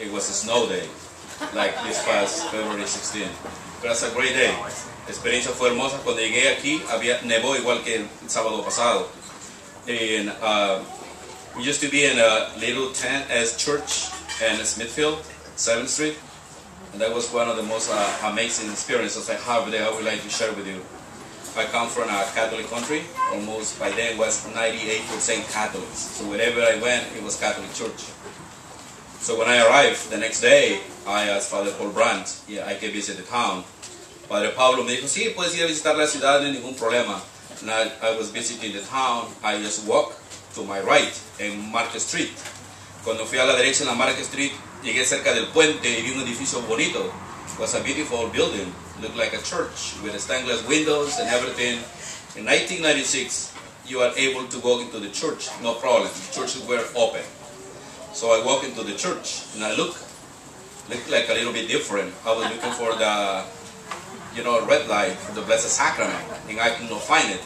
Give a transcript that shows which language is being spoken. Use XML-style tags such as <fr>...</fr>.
<en>It was a snow day, like this past February 16th. But it's a great day.</en> <es>La experiencia fue hermosa. Cuando llegué aquí, había nevó igual que el sábado pasado.</es> <en>And we used to be in a little tent as church in Smithfield, 7th Street. And that was one of the most amazing experiences I have there. I would like to share with you. I come from a Catholic country. Almost by then was 98% Catholics. So wherever I went, it was Catholic church. So when I arrived the next day, I asked Father Paul Brandt, I can visit the town.</en> <es>Padre Pablo me dijo, sí, puedes ir a visitar la ciudad, no ningún problema.</es> <en>And I was visiting the town, I just walked to my right in Market Street.</en> <es>Cuando fui a la derecha en la Market Street, llegué cerca del puente y vi un edificio bonito.</es> <en>It was a beautiful building, looked like a church with stained glass windows and everything. In 1996, you are able to walk into the church, no problem. The churches were open. So I walked into the church and I looked like a little bit different. I was looking for the, red light for the Blessed Sacrament, and I could not find it.</en>